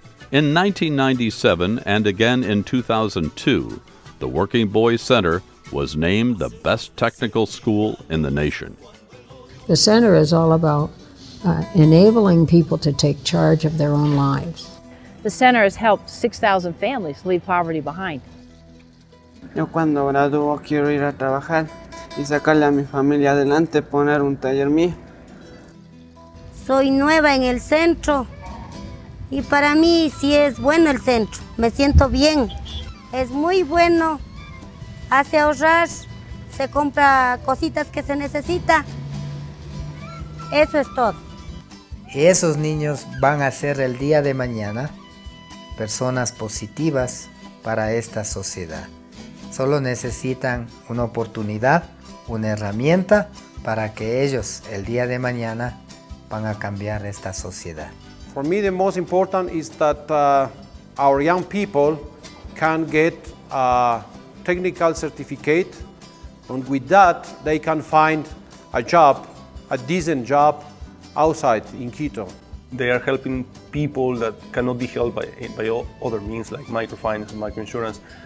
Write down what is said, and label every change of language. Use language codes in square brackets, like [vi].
[en] In 1997 and again in 2002, the Working Boys Center was named the best technical school in the nation. The center is all about enabling people to take charge of their own lives. The center has helped 6,000 families leave poverty behind. [es] Yo cuando graduo quiero ir a trabajar y sacarle a mi familia adelante, poner un taller mío. Soy nueva en el centro y para mí sí es bueno el centro. Me siento bien. Es muy bueno. Hace ahorrar, se compra cositas que se necesita. Eso es todo. Esos niños van a ser el día de mañana personas positivas para esta sociedad. Solo necesitan una oportunidad, una herramienta para que ellos el día de mañana van a cambiar esta sociedad. [en] For me, the most important is that our young people can get a technical certificate, and with that they can find a job, a decent job outside in Quito. They are helping people that cannot be helped by other means like microfinance and microinsurance.